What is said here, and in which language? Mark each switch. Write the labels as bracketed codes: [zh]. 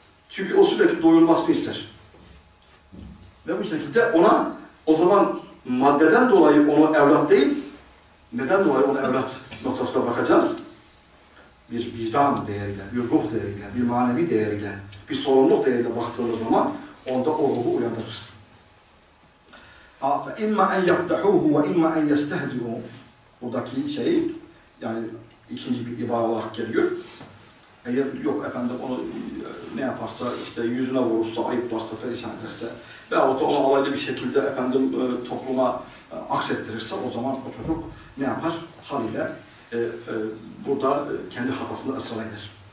[tr] Çünkü o sürekli doyulmasını ister. Ve bu şekilde ona o zaman maddeden dolayı onu evlat değil, neden dolayı onu evlat noktasına bakacağız? Bir vicdan değeriyle, bir ruh değeriyle, bir manevi değeriyle, bir sorumluluk değeriyle baktığımız zaman onda o ruhu uyandırırız. [ar] فَإِمَّا اَنْ يَقْدَحُوهُ وَإِمَّا اَنْ يَسْتَهْزِيُهُ. [tr] Buradaki şey, yani ikinci bir ibare olarak geliyor. Eğer yok efendim onu ne yaparsa, işte yüzüne vurursa, ayıplarsa, perişan ederse veyahut da onu alaylı bir şekilde efendim topluma aksettirirse o zaman o çocuk ne yapar? Haliyle burada kendi hatasında ısrar eder.